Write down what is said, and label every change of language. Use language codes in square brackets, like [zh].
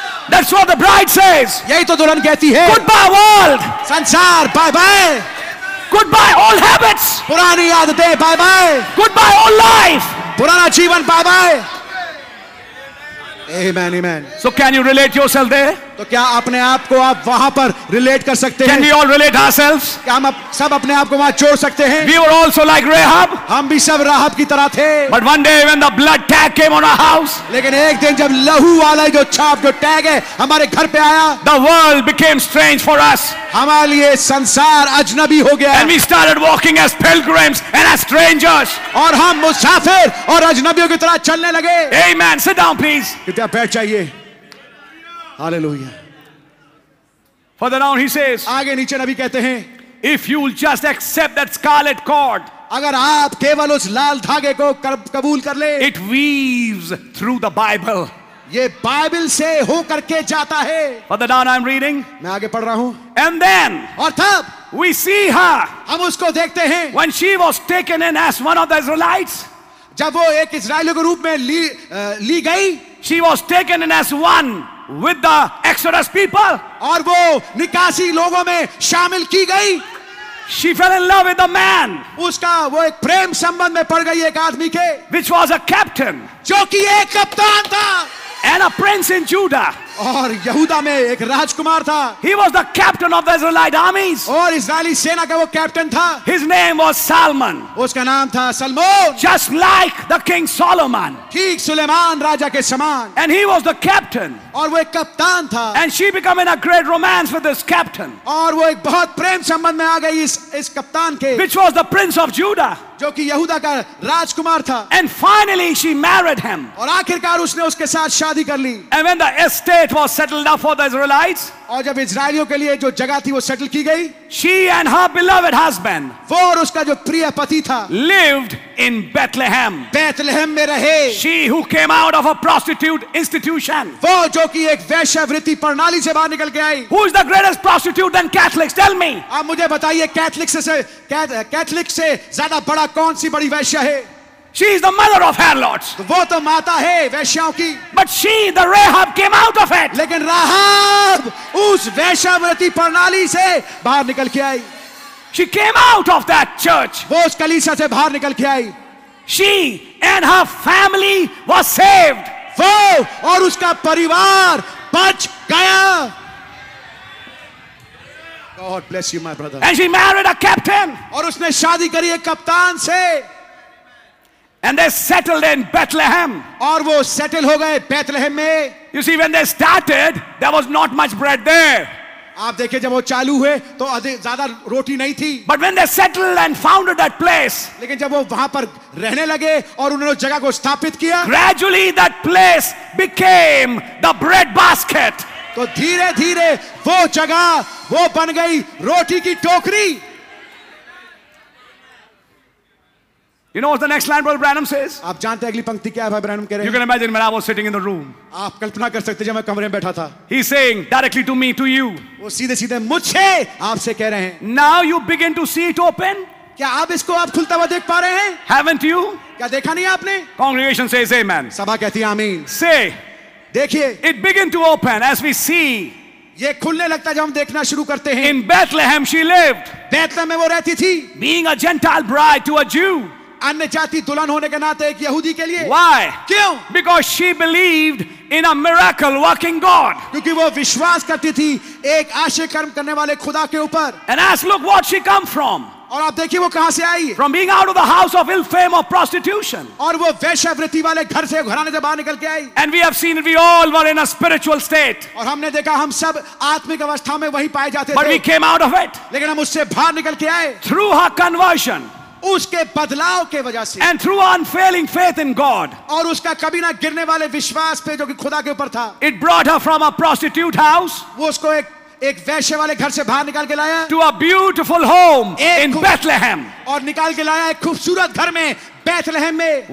[en] That's what the bride says. [hi] Yahi to dulhan kehti hai. [en] Goodbye world. [hi] Sansar, bye bye. [en] Goodbye all habits. [hi] Purani aadatein, bye bye. [en] Goodbye all life. [hi] Purana jeevan, bye bye. Amen, amen. [en] So can you relate yourself there? [hi] तो क्या अपने आप को आप वहाँ पर relate कर सकते हैं? [en] Can we all relate ourselves? [hi] क्या हम सब अपने आप को वहाँ जोड़ सकते हैं? [en] We were also like Rahab. [hi] हम भी सब राहब की तरह थे. [en] But one day when the blood tag came on our house. [hi] लेकिन एक दिन जब लहू वाला जो छाप जो टैग है हमारे घर पे आया. [en] The world became strange for us. [hi] हमारे लिए संसार अजनबी हो गया. [en] And we started walking as pilgrims and as strangers. [hi] और हम मुसाफिर और अजनबियों की तरह चलने लगे. [en] Amen. Sit down, please. [hi] कृपया बैठ जाइए. Hallelujah. [en] Further down, he says. [hi] आगे नीचे नबी कहते हैं. [en] If you will just accept that scarlet cord. [hi] अगर आप केवल उस लाल धागे को कबूल कर ले. [en] It weaves through the Bible. [hi] ये बाइबल से होकर के जाता है. [en] Further down, I'm reading. [hi] मैं आगे पढ़ रहा हूँ. [en] And then. [hi] और तब. [en] We see her. [hi] हम उसको देखते हैं. [en] When she was taken in as one of the Israelites. [hi] जब वो एक इज़राइली के रूप में ली गई. [en] She was taken in as one. With the Exodus people. [hi] और वो निकासी लोगों में शामिल की गई. [en] She fell in love with a man. [hi] उसका वो एक प्रेम संबंध में पड़ गई एक आदमी के. [en] Which was a captain. [hi] जो कि एक कप्तान था. [en] And a prince in Judah. [hi] और यहूदा में एक राजकुमार था. [en] He was the captain of the Israelite armies. [hi] और इज़राइली सेना का वो कैप्टन था. [en] His name was Solomon. [hi] उसका नाम था Salmon. [en] Just like the king Solomon. [hi] ठीक सुलेमान राजा के समान. [en] And he was the captain. [hi] और वो एक कप्तान था. [en] And she became in a great romance with this captain. [hi] और वो एक बहुत प्रेम संबंध में आ गई इस कप्तान के. [en] Which was the prince of Judah. [hi] जो कि यहूदा का राजकुमार था. [en] And finally she married him. [hi] और आखिरकार उसने उसके साथ शादी कर ली. [en] And when the estate was settled up for the Israelites. [hi] और जब इज़राइलियों के लिए जो जगह थी वो सेटल की गई. [en] She and her beloved husband. [hi] वो और उसका जो प्रिय पति था. [en] Lived in Bethlehem. [hi] बेथलहम में रहे. [en] She who came out of a prostitute institution. [hi] वो जो कि एक वैश्यवृत्ति प्रणाली से बाहर निकल के आई. [en] Who is the greatest prostitute than Catholics? Tell me. [hi] आप मुझे बताइए कैथलिक से ज्यादा बड़ा कौन सी बड़ी वैश्या है? [en] She is the mother of harlots. [hi] वो तो माता है वैश्याओं की. [en] But she, the Rahab, came out of it. [hi] लेकिन राहब उस वैश्यवृत्ति प्रणाली से बाहर निकल के आई. [en] She came out of that church. [hi] वो उस कलीसिया से बाहर निकल के आई. [en] She and her family was saved. [hi] वो और उसका परिवार बच गया. [en] God bless you, my brother. And she married a captain. [hi] और उसने शादी करी एक कप्तान से. [en] And they settled in Bethlehem. [hi] और वो सेटल हो गए बेथलहम में. [en] You see, when they started, there was not much bread there. [hi] आप देखे जब वो चालू हुए तो ज्यादा रोटी नहीं थी. [en] But when they settled and founded that place. [hi] लेकिन जब वो वहां पर रहने लगे और उन्होंने जगह को स्थापित किया. [en] Gradually that place became the bread basket. [hi] तो धीरे धीरे वो जगह वो बन गई रोटी की टोकरी. [en] You know what the next line Brother Branham says? [hi] आप जानते हैं अगली पंक्ति क्या है भाई ब्रैनम कह रहे हैं? [en] You can imagine when I was sitting in the room. [hi] आप कल्पना कर सकते हैं जब मैं कमरे में बैठा था. [en] He is saying directly to me, to you. [hi] वो सीधे-सीधे मुझे आपसे कह रहे हैं. [en] Now you begin to see it open? [hi] क्या आप इसको आप खुलता हुआ देख पा रहे हैं? [en] Haven't you? [hi] क्या देखा नहीं आपने? [en] Congregation says amen. [hi] सभा कहती है आमीन. [en] Say. [hi] देखिए. [en] It begin to open as we see. [hi] ये खुलने लगता है जब हम देखना शुरू करते हैं. [en] In Bethlehem she lived. [hi] Bethlehem में वो रहती थी. [en] Being a Gentile bride to a Jew. [hi] अन्य जाति दुल्हन होने के नाते एक यहूदी के लिए. [en] Why? [hi] क्यों? [en] Because she believed in a miracle working God. [hi] क्योंकि वो विश्वास करती थी एक आश्चर्यकर्म करने वाले खुदा के ऊपर. [en] And ask, look what she come from. [hi] और आप देखिए वो कहां से आई. [en] From being out of the house of ill fame of prostitution. [hi] और वो वैश्यवृत्ति वाले घर से घराने से बाहर निकल के आई. [en] And we have seen we all were in a spiritual state. [hi] और हमने देखा हम सब आत्मिक अवस्था में वही पाए जाते थे. [en] But we came out of it. [hi] लेकिन हम उससे बाहर निकल के आए. [en] Through her conversion. [hi] उसके बदलाव के वजह से. [en] And through unfailing faith in God. [hi] और उसका कभी ना गिरने वाले विश्वास पे जो कि खुदा के ऊपर था. [en] It brought her from a prostitute house. [hi] वो उसको एक वैश्य वाले घर से बाहर निकाल के लाया. [en] To a beautiful home in Bethlehem. [hi] और निकाल के लाया एक खूबसूरत घर में बेथलहम में.